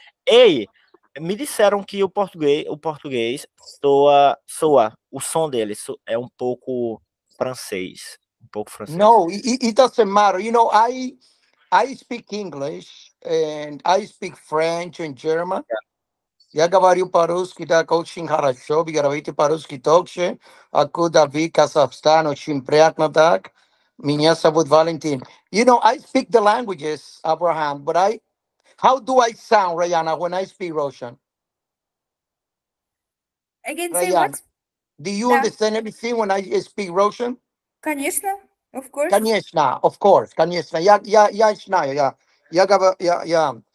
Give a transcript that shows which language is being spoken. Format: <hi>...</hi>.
<pt>Ei, me disseram que o português soa, o som dele é um pouco francês. Um pouco francês.</pt> <en>No, it doesn't matter. You know, I speak English and I speak French and German.</en> <ru>Я говорю по-русски так очень хорошо. Вы говорите по-русски тоже. А куда вы, Казахстан, очень приятно так. Меня зовут Валентин.</ru> <en>You know, I speak the languages, Abraham, but how do I sound, Rayana, when I speak Russian? Again, say what? Do you understand everything when I speak Russian?</en> <ru>Конечно.</ru> <en>Of course.</en> <ru>Конечно,</ru> <en>of course.</en> <ru>Конечно.</ru> <en>Yeah.</en>